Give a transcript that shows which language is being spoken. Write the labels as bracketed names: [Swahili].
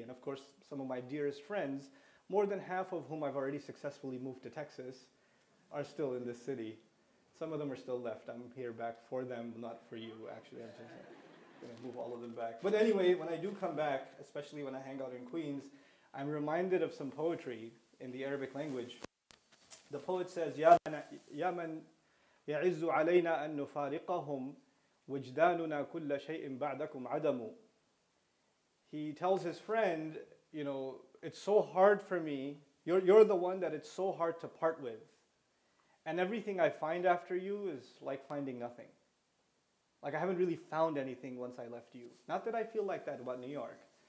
[English] And of course, some of my dearest friends, more than half of whom I've already successfully moved to Texas, are still in this city. Some of them are still left. I'm here back for them, not for you, actually. I'm just going to move all of them back. But anyway, when I do come back, especially when I hang out in Queens, I'm reminded of some poetry in the Arabic language. The poet says, [Arabic] يَا مَنْ يَعِزُّ عَلَيْنَا أَن نُفَارِقَهُمْ وَجْدَانُنَا كُلَّ شَيْءٍ بَعْدَكُمْ عَدَمُ. [English] He tells his friend, you know, it's so hard for me. You're the one that it's so hard to part with. And everything I find after you is like finding nothing. Like I haven't really found anything once I left you. Not that I feel like that about New York.